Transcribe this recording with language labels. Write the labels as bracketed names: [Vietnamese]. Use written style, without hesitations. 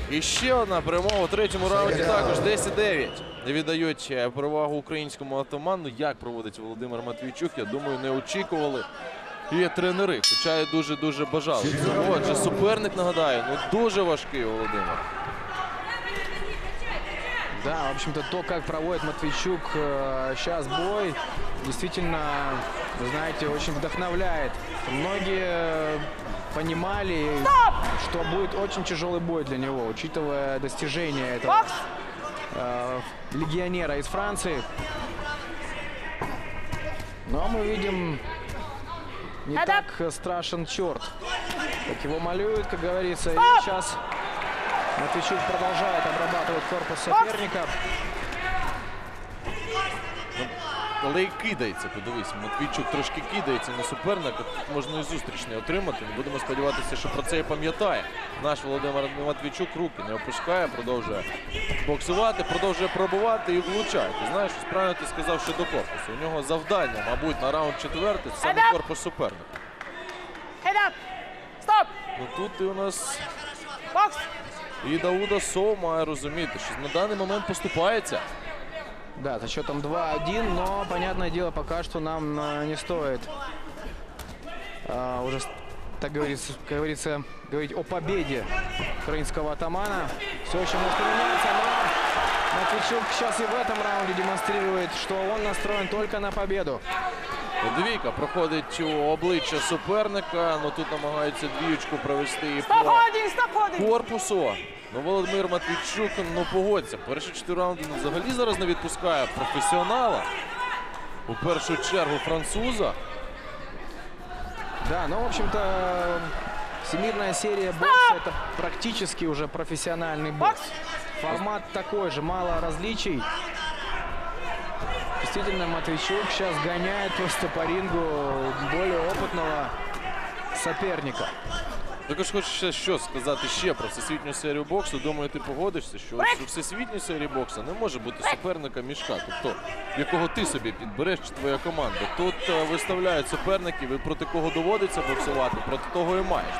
[Ukrainian] І ще одна перемога у третьому раунді, також 10-9. Віддають перевагу українському Отаману. Як проводить Володимир Матвійчук, я думаю, не очікували і тренери, хоча й дуже-дуже бажали. Отже, суперник, нагадаю, ну дуже важкий Володимир. [Russian] Да, в общем-то, то, как проводит Матвійчук сейчас бой, действительно, знаете, очень вдохновляет. Многие понимали, что будет очень тяжелый бой для него, учитывая достижения этого легионера из Франции. Но мы видим, не так страшен черт, как его малюют, как говорится. И сейчас Матвійчук продолжает обрабатывать корпус соперника. [Ukrainian] Але й кидається, подивись, Матвійчук трошки кидається на суперника, тут можна і зустріч не отримати. Ми будемо сподіватися, що про це і пам'ятає. Наш Володимир Матвійчук руки не опускає, продовжує боксувати, продовжує пробувати і влучає. Ти знаєш, правильно ти сказав, що до корпусу. У нього завдання, мабуть, на раунд четвертий, це саме корпус суперника. [English] Head up! Stop! [Ukrainian] Ну тут і у нас бокс! І Даудо Соу має розуміти, що на даний момент поступається. [Russian] Да, со счетом 2-1, но, понятное дело, пока что нам не стоит уже, так говорится, говорить о победе украинского атамана. Все еще может поменяться, но Матвійчук сейчас и в этом раунде демонстрирует, что он настроен только на победу. [Ukrainian] Двійка проходить у обличчя суперника, но тут намагаються двійку провести і по корпусу. Ну, Володимир Матвійчук, ну, погодься, перші 4 раунди взагалі зараз не відпускає професіонала, у першу чергу француза. [Russian] Да, ну, в общем-то, всемирная серия боксу – это практически уже профессиональный бокс. Формат такой же, мало различий. Действительно, Матвійчук сейчас гоняет просто по рингу более опытного соперника. [Ukrainian] Також хочу ще сказати ще про всесвітню серію боксу. Думаю, ти погодишся, що у всесвітній серії боксу не може бути суперника мішка, тобто якого ти собі підбереш чи твоя команда. Тут виставляють суперників, і проти кого доводиться боксувати, проти того і маєш.